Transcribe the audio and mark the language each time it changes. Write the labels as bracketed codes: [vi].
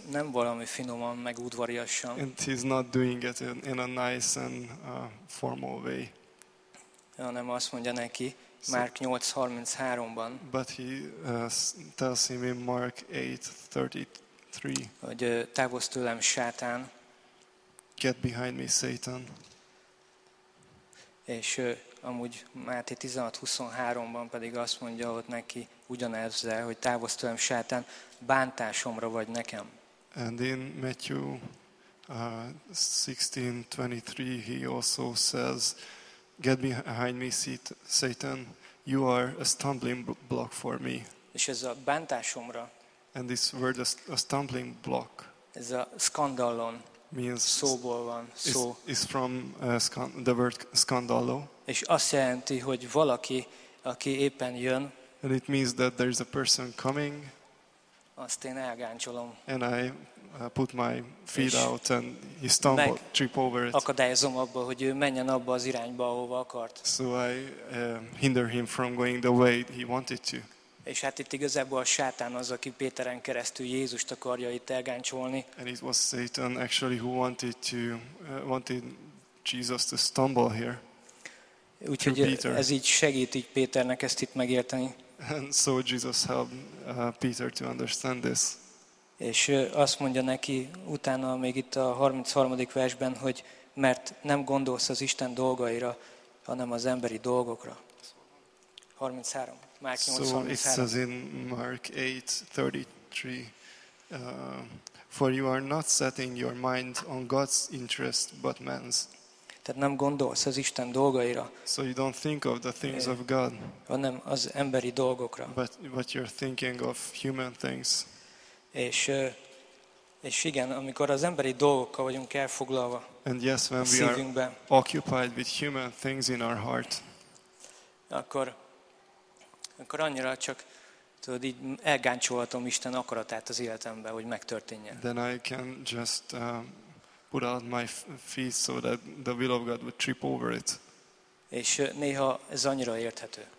[hu] Nem valami finoman, meg udvariasan. [en] And he's not doing it in a nice and formal way. [hu] Hanem azt mondja neki, Márk 8:33-ban. [en] But he tells him in Mark 8:33. [hu] Hogy távozz tőlem, Sátán. [en] Get behind me, Satan. [hu] És amúgy Máté 16:23-ban pedig azt mondja ott neki ugyanezzel, hogy távozz tőlem, Sátán, bántásomra vagy nekem. [en] And in Matthew 16:23 he also says, get behind me, Satan. You are a stumbling block for me. [hu] És ez a bántásomra. [en] And this word a stumbling block. [hu] Ez a skandalon. [en] Means [hu] szóból van. Szó. [en] Is from the word skandalo. [hu] És azt jelenti, hogy valaki, aki éppen jön. [en] And it means that there is a person coming. [hu] Azt én elgáncsolom. [en] And I put my feet out and he stumbled, trip over it. [hu] Akadályozom abba, hogy ő menjen abba az irányba, ahova akart. [en] So I hinder him from going the way he wanted to. [hu] És hát itt igazából a Sátán az, aki Péteren keresztül Jézust akarja itt elgáncsolni. [en] And it was Satan actually who wanted Jesus to stumble here. [hu] Úgyhogy ez így segít így Péternek ezt itt megérteni. [en] And so Jesus helped Peter to understand this. [hu] És azt mondja neki utána még itt a 33. versben, hogy mert nem gondolsz az Isten dolgaira, hanem az emberi dolgokra. 33. Márk 8:33. [en] So it says in Mark 8:33, for you are not setting your mind on God's interest, but man's. [hu] Tehát nem gondolsz az Isten dolgaira. [en] So you don't think of the things of God. [hu] Hanem az emberi dolgokra. [en] But you're thinking of human things. [hu] És igen, amikor az emberi dolgokkal vagyunk elfoglalva, [en] and yes, when we are occupied with human things in our heart, [hu] akkor annyira csak tudod, így elgáncsolhatom Isten akaratát az életembe, hogy megtörténjen. [en] Then I can just put out my feet so that the will of God would trip over it. [hu] És néha ez annyira érthető.